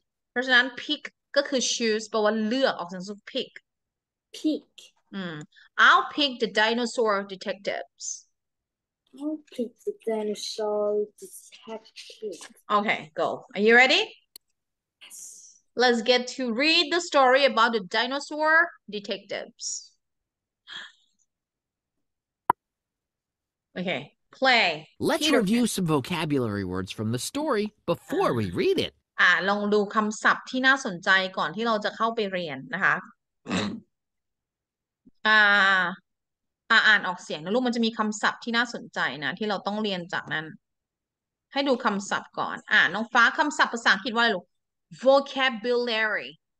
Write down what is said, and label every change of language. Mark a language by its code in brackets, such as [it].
[th] เพราะฉะนั้น pick ก็คือ choose แปลว่าเลือกออกเสียงสุด pick. [en] pick I'll pick the dinosaur detectives. I'll pick the dinosaur detective Okay, go. Are you ready? Let's get to read the story about the dinosaur detectives. Okay, play. Let's Peter review Pan. some vocabulary words from the story before we read it. [th] ลองดูคำศัพท์ที่น่าสนใจก่อนที่เราจะเข้าไปเรียนนะคะ อ่านออกเสียงนะลูกมันจะมีคำศัพท์ที่น่าสนใจนะที่เราต้องเรียนจากนั้นให้ดูคำศัพท์ก่อนน้องฟ้าคำศัพท์ภาษาอังกฤษว่าอะไรลูก vocabulary